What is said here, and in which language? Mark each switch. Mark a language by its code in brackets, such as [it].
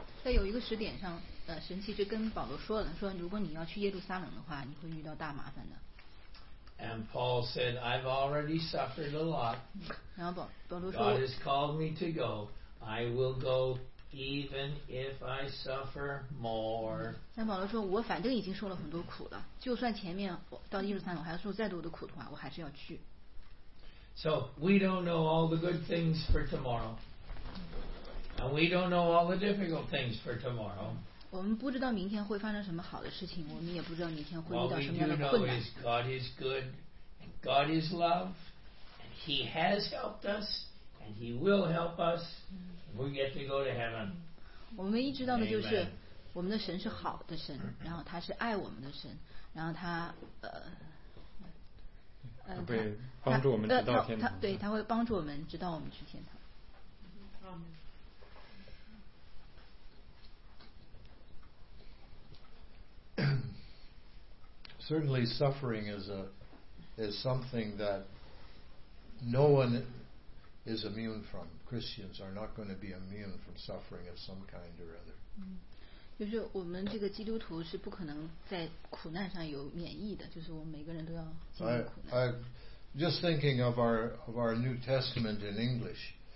[zh] 在有一个时点上，神其实跟保罗说了，说如果你要去耶路撒冷的话，你会遇到大麻烦的。 [en] And Paul said, I've already suffered a lot. God has called me to go. I will go even if I suffer more. [zh] 那保罗说，我反正已经受了很多苦了，就算前面到耶路撒冷还要受再多的苦的话，我还是要去。 [en] So we don't know all the good things for tomorrow. And we don't know all the difficult things for tomorrow. [zh] 我们不知道明天会发生什么好的事情，我们也不知道明天会遇到什么样的困难。 [en] All we do know is God is good, and God is love, and He has helped us, and He will help us. We get to go to heaven. [zh] 我们一知道的就是，我们的神是好的神，然后他是爱我们的神，然后他会帮助我们直到天堂。对，他会帮助我们直到我们去天堂。 [en] Certainly suffering is something that no one is immune from. Christians are not going to be immune from suffering of some kind or other. [zh] 就是我们这个基督徒是不可能在苦难上有免疫的，就是我们每个人都要经历苦难。 [en] I just thinking of our New Testament in English.